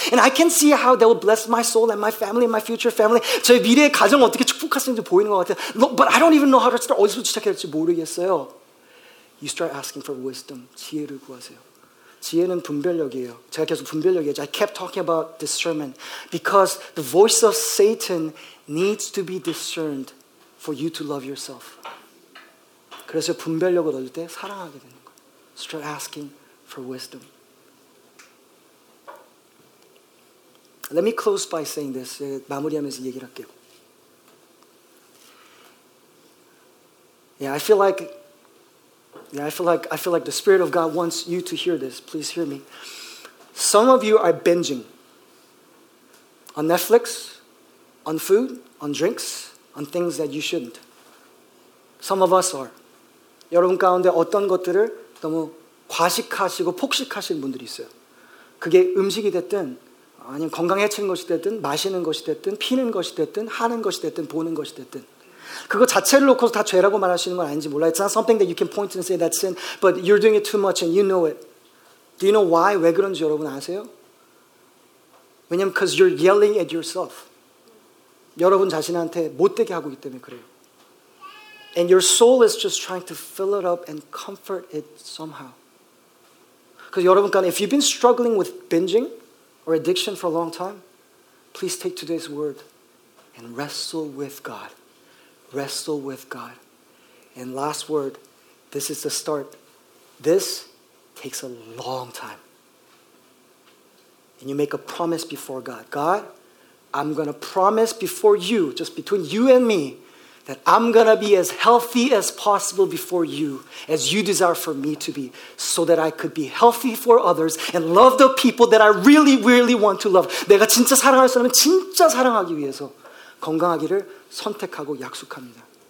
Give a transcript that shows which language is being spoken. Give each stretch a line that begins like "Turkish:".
English: And I can see how that will bless my soul and my family and my future family.
Korean: 제 미래의 가정을 어떻게 축복하시는지 보이는 것 같아요.
English: But I don't even know how to start.
Korean: 어디서 시작해야 할지 모르겠어요.
English: You start asking for wisdom.
Korean: 지혜를 구하세요. 지혜는 분별력이에요. 제가 계속 분별력이에요.
English: I kept talking about discernment. Because the voice of Satan needs to be discerned for you to love yourself.
Korean: 그래서 분별력을 얻을 때 사랑하게 되는 거예요.
English: Start asking for wisdom. Let me close by saying this.
Korean: 마무리하면서 얘기를 할게요.
English: I feel like the Spirit of God wants you to hear this. Please hear me. Some of you are binging on Netflix, on food, on drinks, on things that you shouldn't. Some of us are.
Korean: 여러분 가운데 어떤 것들을 너무 과식하시고 폭식하시는 분들이 있어요. 그게 음식이 됐든 아니면 건강 해치는 것이 됐든 마시는 것이 됐든 피는 것이 됐든 하는 것이 됐든 보는 것이 됐든 그거 자체를 놓고서 다 죄라고 말하시는 건 아닌지 몰라요.
English: It's not something that you can point and say that's sin, but you're doing it too much and you know it. Do you know why?
Korean: 왜 그런지 여러분 아세요? 왜냐하면
English: because you're yelling at yourself.
Korean: 여러분 자신한테 못되게 하고 있기 때문에 그래요.
English: And your soul is just trying to fill it up and comfort it somehow. Because
Korean: 여러분,
English: if you've been struggling with binging or addiction for a long time, please take today's word and wrestle with God. Wrestle with God. And last word, this is the start. This takes a long time. And you make a promise before God. God, I'm going to promise before you, just between you and me, that I'm going to be as healthy as possible before you, as you desire for me to be, so that I could be healthy for others and love the people that I really, really want to love.
Korean: 내가 진짜 사랑할 사람은 진짜 사랑하기 위해서 건강하기를 선택하고 약속합니다.